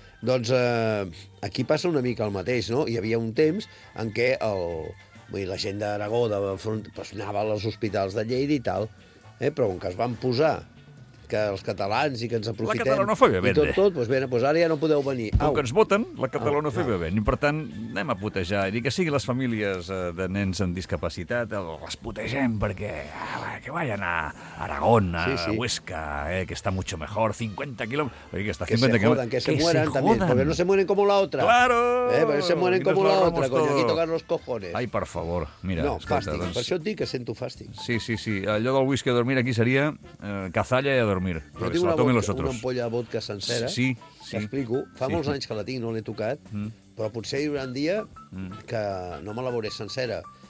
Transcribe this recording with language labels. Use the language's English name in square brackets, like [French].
[Catalan] Doncs aquí passa una mica el mateix, no? Hi havia un temps en què la gent d'Aragó anava als hospitals de Lleida i tal, però com que es van posar que els catalans i que ens aprofitem... La catalanofòbia, bé. I tot, doncs ara ja no podeu venir. Com que ens voten, la catalanofòbia, bé. I per tant, anem a putejar. I que siguin les famílies de nens amb discapacitat, les putegem perquè... [Spanish] que vayan a Aragón, a Huesca, que está mucho mejor, 50 kilómetros... Que se jodan, que se mueran también, porque no se mueren como la otra. ¡Claro! Porque se mueren como la otra, coño, aquí tocan los cojones. Ay, por favor, mira. [Catalan] No, fàstic, per això et dic que sento fàstic. Sí. Allò del whisky a dormir aquí seria cazalla i a dormir. Jo tinc una ampolla de vodka sencera. Sí. T'explico. Fa molts anys que la tinc, no l'he tocat, però potser hi haurà un dia que no me la veuré sencera.